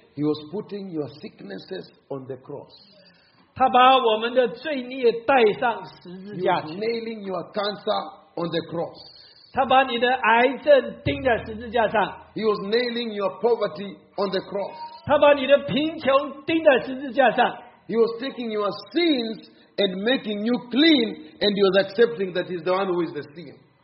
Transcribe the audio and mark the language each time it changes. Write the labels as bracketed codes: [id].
[en] He was putting your sicknesses on the cross. [zh] 他把我们的罪孽带上十字架去。 [en] He was nailing your cancer on the cross. [zh] 他把你的癌症钉在十字架上。 [en] He was nailing your poverty on the cross. [zh] 他把你的贫穷钉在十字架上。 [en] He was taking your sins and making you clean, and he was accepting that he's the one who is the sin.